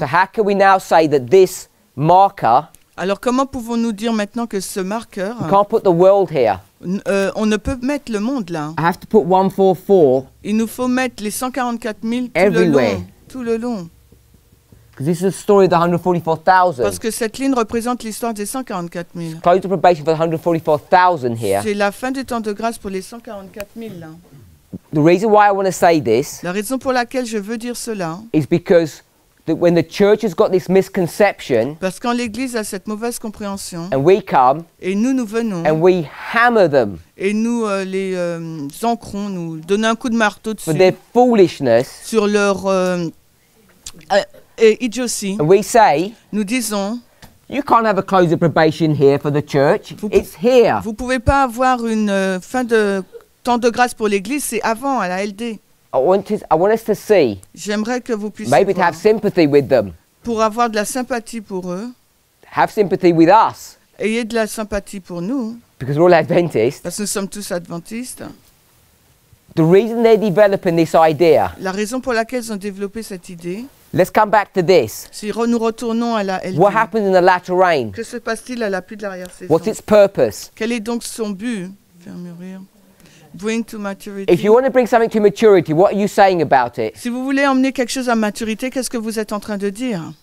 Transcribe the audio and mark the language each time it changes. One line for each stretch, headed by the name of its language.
English: So how can we now say that this marker?
French: Alors comment pouvons-nous dire maintenant que ce marqueur?
English: We can't put the world here.
French: On ne peut mettre le monde là.
English: I have to put 144.
French: Il nous faut mettre les 144 000 tout le long.
English: This is the story of the 144,000.
French: Parce que cette ligne représente l'histoire des 144 000.
English: It's close to probation for the 144,000 here.
French: C'est la fin du temps de grâce pour les 144 000 là.
English: The reason why I want to say this.
French: La raison pour laquelle je veux dire cela.
English: Is because that when the church has got this misconception.
French: Parce quand l'Église a cette mauvaise compréhension.
English: And we come.
French: Et nous venons.
English: And we hammer them.
French: Et nous les ancrons, nous donnons un coup de marteau dessus.
English: For their foolishness.
French: Sur leur et idiotie.
English: And we say,
French: nous disons,
English: you can't have a close of probation here for the church. It's here.
French: Vous pouvez pas avoir une fin de temps de grâce pour l'Église, c'est avant à la LD.
English: I want us to see.
French: J'aimerais que vous puissiez
English: maybe to have sympathy with them.
French: Pour avoir de la sympathie pour eux.
English: Have sympathy with us.
French: Ayez de la sympathie pour nous.
English: Because we're all Adventists.
French: Parce que nous sommes tous adventistes.
English: The reason they're developing this idea.
French: La raison pour laquelle ils ont développé cette idée.
English: Let's come back to this.
French: Si nous retournons à la LD,
English: what happens in the latter rain?
French: Que se passe-t-il à la pluie de l'arrière-saison?
English: What's its purpose?
French: Quel est donc son but? Faire mûrir.
English: Bring to maturity. If you want to bring something to maturity, what are you saying about it?
French: Si vous voulez emmener quelque chose à maturité, qu'est-ce que vous êtes en train de dire?